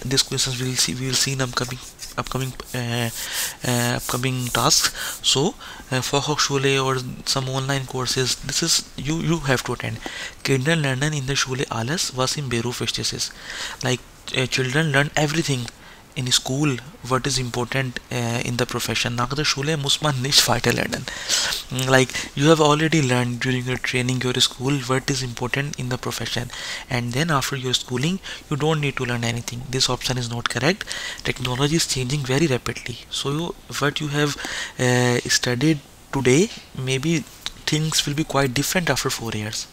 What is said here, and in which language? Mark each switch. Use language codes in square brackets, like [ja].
[en] This questions we will see in upcoming tasks. So Fachhochschule or some online courses, this is you have to attend. [de] Kinder lernen in der Schule alles, was im Beruf wichtig ist. [en] Like children learn everything in school, what is important in the profession. [de] Nach der Schule muss man nicht weiter lernen. [en] Like you have already learned during your training, your school, what is important in the profession, and then after your schooling you don't need to learn anything. This option is not correct. Technology is changing very rapidly, so what you have studied today, maybe things will be quite different after 4 years.